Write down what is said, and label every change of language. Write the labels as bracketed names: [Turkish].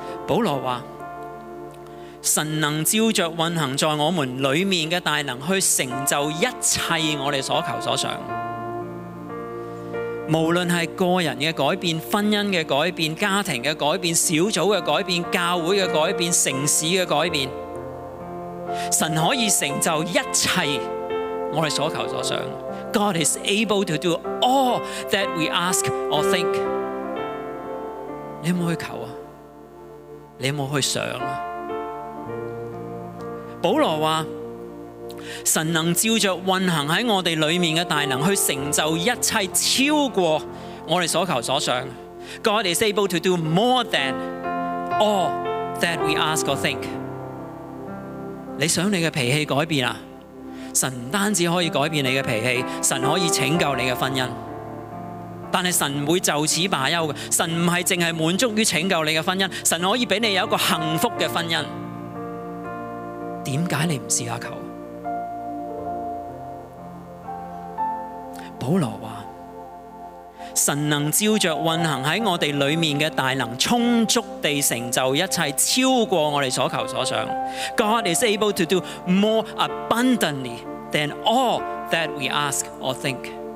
[Chinese] 保罗话：神能照着运行在我们里面的大能，去成就一切我们所求所想。无论是个人的改变、婚姻的改变、家庭的改变、小组的改变、教会的改变、城市的改变，神可以成就一切我们所求所想。 [English] God is able to do all that we ask or think。 [Chinese] 你有没有去求？你有没有去想？保罗说神能照着运行在我们里面的大能，去成就一切超过我们所求所想。 [English] God is able to do more than all that we ask or think。 [Chinese] 你想你的脾气改变了，神不单止可以改变你的脾气，神可以拯救你的婚姻，但是神不会就此罢休。神不是只是满足于拯救你的婚姻，神可以给你有一个幸福的婚姻。为什么你不试下求？保罗说神能照着运行在我们里面的大能，充足地成就一切超过我们所求所想。 [English] God is able to do more abundantly than all that we ask or think。